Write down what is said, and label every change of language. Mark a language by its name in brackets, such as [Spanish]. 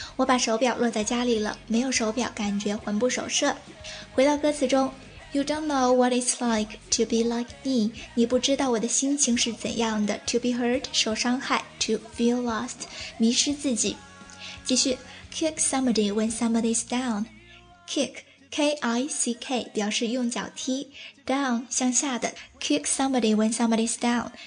[Chinese] 我把手表落在家里了，没有手表感觉魂不守舍。回到歌词中， [English] You don't know what it's like to be like me. [Chinese] 你不知道我的心情是怎样的。 [English] To be hurt, [Chinese] 受伤害。 [English] To feel lost, [Chinese] 迷失自己。继续， [English] Kick somebody when somebody's down. Kick, K-I-C-K, [Chinese] 表示用脚踢。 [English] Down, [Chinese] 向下的。 [English] Kick somebody when somebody's down.